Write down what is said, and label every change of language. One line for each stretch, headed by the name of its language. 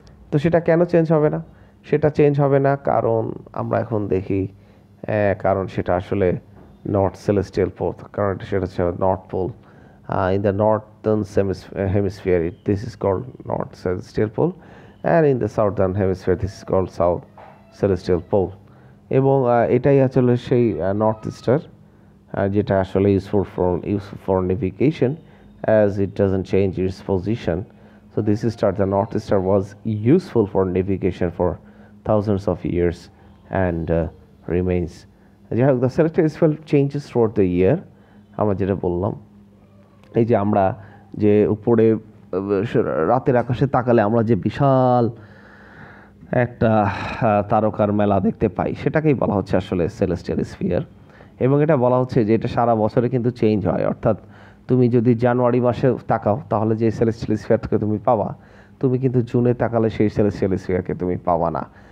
Bangla: তো সেটা কেন চেঞ্জ হবে না? সেটা চেঞ্জ হবে না কারণ আমরা এখন দেখি, কারণ সেটা আসলে নর্থ সেলেস্টিয়াল পোল, কারণ সেটা হচ্ছে north pole,
English: in the northern hemisphere this is called north celestial pole,
Bangla: and in the southern hemisphere this is called south celestial pole, এবং এটাই আসলে সেই নর্থ ইস্টার, যেটা আসলে
English: Useful for navigation as it doesn't change its position. So this star, the North Star, was useful for navigation for thousands of years and remains. The celestial sphere changes throughout the year.
Bangla: আমরা যেটা বললাম, এই যে আমরা যে উপরে রাতের আকাশে তাকালে আমরা যে বিশাল একটা তারকার মেলা দেখতে পাই, সেটাকেই বলা হচ্ছে আসলে সেলেস্টিয়াল স্ফিয়ার। এবং এটা বলা হচ্ছে যে এটা সারা বছরে কিন্তু চেঞ্জ হয়, অর্থাৎ তুমি যদি জানুয়ারি মাসে তাকাও তাহলে যে সেলেস্টিয়াল স্ফিয়ারটাকে তুমি পাওয়া, তুমি কিন্তু জুনে তাকালে সেই সেলেস্টিয়াল স্ফিয়ারকে তুমি পাওয়া না।